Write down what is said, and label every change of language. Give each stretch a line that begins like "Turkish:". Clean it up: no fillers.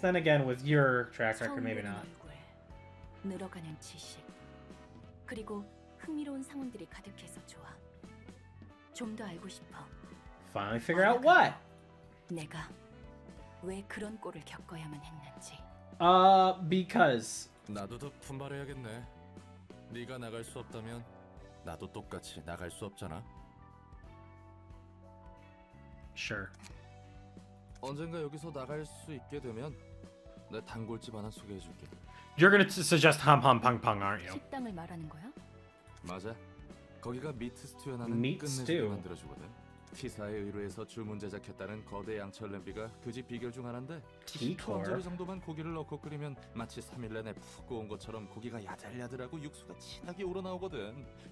English: Then again, with your track record, maybe not.
Korean: 늘어가는 지식 그리고 흥미로운 상황들이 가득해서 좋아. 좀 더 알고 싶어.
English: Finally figure out what?
Korean: 내가 왜 그런 꼴을 겪어야만 했는지.
English: Because
Korean: 나도 더 분발해야겠네. 네가 나갈 수 없다면 나도 똑같이 나갈 수 없잖아.
English: Sure.
Korean: 언젠가 여기서 나갈 수 있게 되면 내 단골집 하나 소개해 줄게.
English: You're gonna suggest Ham Ham Pang Pang, aren't you?
Korean: 식당을 말하는 거야? 맞아. 거기가 미트 스튜에 나는 끝내주게 만들어주거든. 티사의 의뢰에서 주문 제작했다는 거대 양철 냄비가 그 집 비결 중 하나인데 티커 정도만 고기를 넣고 끓이면 마치 3일 내내 푹 구운 것처럼 고기가 야들야들하고 육수가 진하게 우러나오거든.